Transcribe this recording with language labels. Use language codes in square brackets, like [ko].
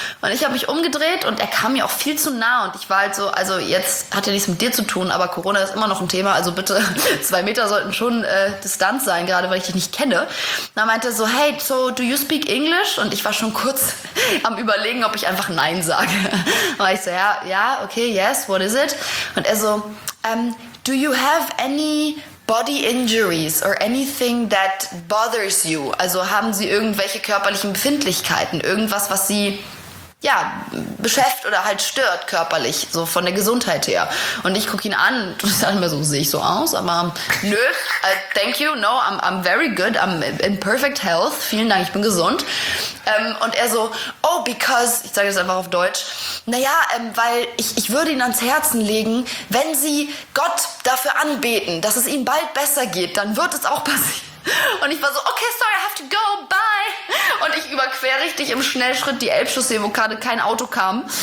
[de] Und ich habe mich umgedreht und er kam mir auch viel zu nah. Und ich war halt so, also jetzt hat er nichts mit dir zu tun, aber Corona ist immer noch ein Thema. Also bitte, 2 Meter sollten schon Distanz sein, gerade weil ich dich nicht kenne. Und dann meinte er so, hey, [en] so do you speak English? [de] Und ich war schon kurz am Überlegen, ob ich einfach Nein sage. Und ich so, ja, okay, [en] yes, what is it? [de] Und er so, [en] do you have any body injuries or anything that bothers you? [de] Also haben Sie irgendwelche körperlichen Befindlichkeiten? Irgendwas, was Sie ja beschäftigt oder halt stört körperlich, so von der Gesundheit her? Und ich gucke ihn an und sage mir so, sehe ich so aus? Aber nö, [en] thank you, no, I'm very good, I'm in perfect health. [de] Vielen Dank, ich bin gesund. Und er so, [en] oh, because, [de] ich sage das einfach auf Deutsch, naja, weil ich würde ihn ans Herzen legen, wenn sie Gott dafür anbeten, dass es ihnen bald besser geht, dann wird es auch passieren. Und ich war so, [en] okay, sorry, I have to go, bye. [de] Und ich überquer richtig im Schnellschritt die Elbchaussee, wo gerade kein Auto kam.